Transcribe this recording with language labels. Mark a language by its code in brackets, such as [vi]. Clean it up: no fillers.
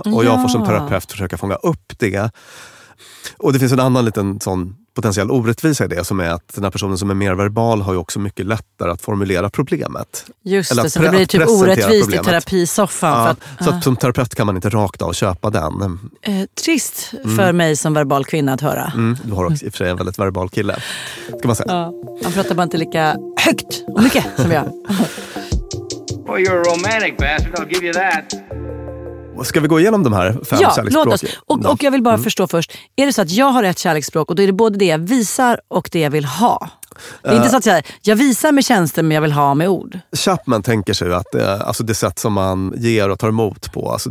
[sv] Och jag får som terapeut försöka fånga upp det. Och det finns en annan liten sån potentiell orättvisa i det, som är att den här personen som är mer verbal har ju också mycket lättare att formulera problemet. Just det, så det blir typ orättvist i terapisoffan. Ja, så att som terapeut kan man inte rakt av köpa den. Trist för mig som verbal kvinna att höra. Du har också i och för sig en väldigt verbal kille, ska man säga. Han pratar bara inte lika högt och mycket som jag. [en] Well, you're a romantic bastard, I'll give you that. [sv] Ska vi gå igenom de här fem kärleksspråken? Ja, låt oss. Och jag vill bara förstå först. Är det så att jag har ett kärleksspråk, och då är det både det jag visar och det jag vill ha? Det är inte så att jag visar med tjänster, men jag vill ha med ord. Chapman tänker sig att alltså det sätt som man ger och tar emot på. Alltså